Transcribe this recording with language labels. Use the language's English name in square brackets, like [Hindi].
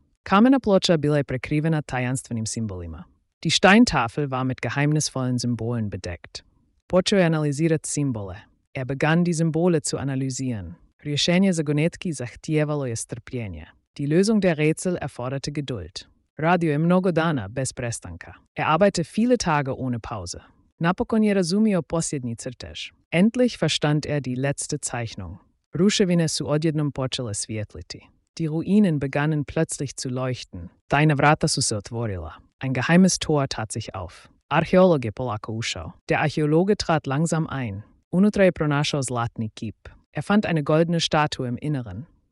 [Croatian] Kamena ploča bila je prekrivena tajanstvenim simbolima. [German] Die Steintafel war mit geheimnisvollen Symbolen bedeckt. [Croatian] Počeo je analizirati simbole. [German] Er begann die Symbole zu analysieren. [Croatian] Rješenje zagonetki zahtijevalo je strpljenje. [German] Die Lösung der Rätsel erforderte Geduld. [Croatian] Radio je mnogo dana bez prestanka. [German] Er arbeite viele Tage ohne Pause. [Croatian] Napokon je razumio posljednji crtež. [German] Endlich verstand er die letzte Zeichnung. [Croatian] Ruševine su odjednom počele svjetliti. [German] Die Ruinen begannen plötzlich zu leuchten. [Croatian] Tajna vrata su se otvorila. [German] Ein geheimes Tor tat sich auf. [Croatian] Archeologe polako ušao. [German] Der Archeologe trat langsam ein. [Croatian] Unutra je pronašao zlatni kip. [German] Er fand eine goldene Statue im Inneren.